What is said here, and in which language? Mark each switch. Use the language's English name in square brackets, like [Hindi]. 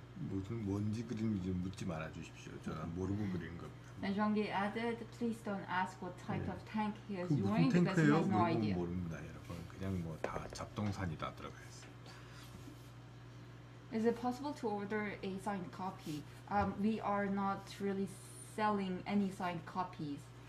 [Korean] 무슨 뭔지 그림인지 묻지 말아 주십시오. 저는 모르고 그린 겁니다. [English] Jeongi added, please don't ask what type of tank he is using because he has no idea. [Korean] 그 모릅니다, 여러분. 그냥 뭐 다 잡동산이다 들어가 있습니다. [English] Is it possible to order a signed copy? We are not really selling any signed copies.